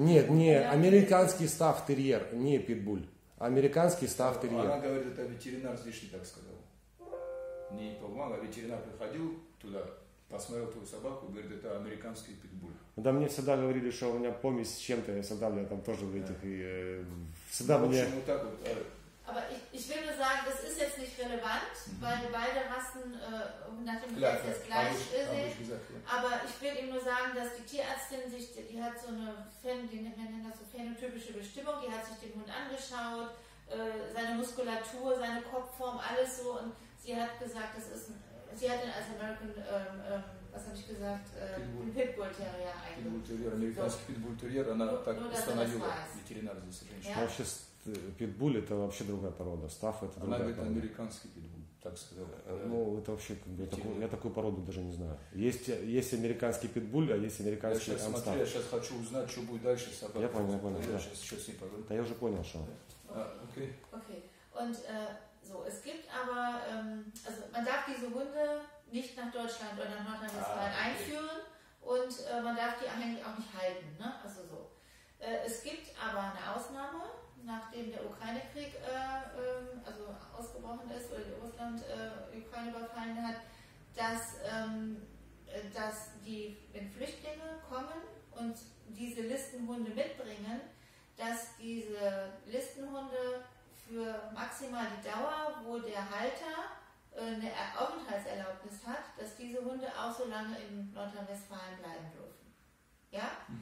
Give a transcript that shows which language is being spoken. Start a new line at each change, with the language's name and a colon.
Russian: Нет, не американский став терьер, не питбуль. Американский став терьер. Она говорит, это ветеринар здешний так сказал. Не помогла, ветеринар приходил туда, посмотрел твою собаку, говорит, это американский питбуль. Да, мне всегда говорили, что у меня помесь с чем-то, я всегда я там тоже в этих и всегда ну, мне. В общем, вот так вот.
German: Aber ich will nur sagen, das ist jetzt nicht relevant, weil beide Rassen nach dem Gesetz jetzt gleich sind. Aber ich will ihm nur sagen, dass die Tierärztin sich, die hat so eine phänotypische Bestimmung, die hat sich den Hund angeschaut, seine Muskulatur, seine Kopfform, alles so. Und sie hat gesagt, sie hat ihn als American, was habe ich gesagt, Pitbull Terrier eingestellt. Amerikanische Pitbull Terrier,
Russian: она так установила ветеринар здесь раньше. Питбуль это вообще другая порода, став это другая порода. Она говорит американский питбуль, так сказать. Ну это вообще, я такую породу даже не знаю. Есть американский питбуль, а есть американский амстаф. Я сейчас хочу узнать, что будет дальше с собакой. Я понял. Я сейчас еще с ней поговорю. Да я уже понял, что. Окей.
German: Und so, es gibt aber, also man darf diese Hunde nicht nach Deutschland oder nach Nordrhein-Westfalen einführen und man darf die eigentlich auch nicht halten, ne? Also so. Es gibt aber eine Ausnahme. Nachdem der Ukraine-Krieg also ausgebrochen ist oder Russland Ukraine überfallen hat, dass wenn Flüchtlinge kommen und diese Listenhunde mitbringen, dass diese Listenhunde für maximal die Dauer, wo der Halter eine Aufenthaltserlaubnis hat, dass diese Hunde auch so lange in Nordrhein-Westfalen bleiben dürfen. Ja?